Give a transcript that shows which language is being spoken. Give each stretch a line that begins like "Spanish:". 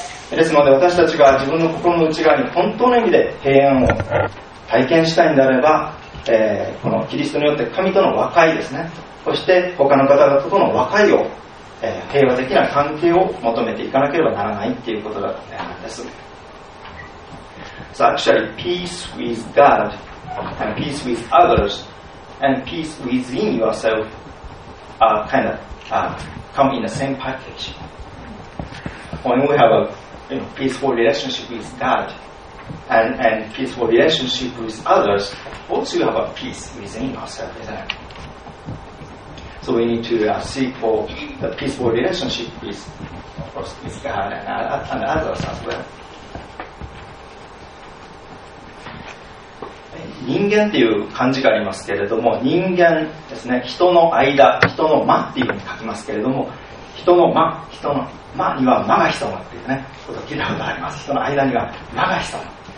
Japanese: ですので私たちが自分の心の内側に本当の意味で平安を体験したいんであれば、このキリストによって神との和解ですね、そして他の方々との和解を、平和的な関係を求めていかなければならないということなんです。
English: So actually peace with God and peace with others and peace within yourself are kind of come in the same package. When we have a peaceful relationship with God and peaceful relationship with others, also you have a peace within yourself, isn't it? So we need to seek for the peaceful relationship with God and others as well.
Japanese: 人間っていう漢字がありますけれども、人間ですね、人の間、人の間っていうふうに書きますけれども、人の間、人の間には間が潜むっていうね、ことを聞いたことがあります。人の間には間が潜む。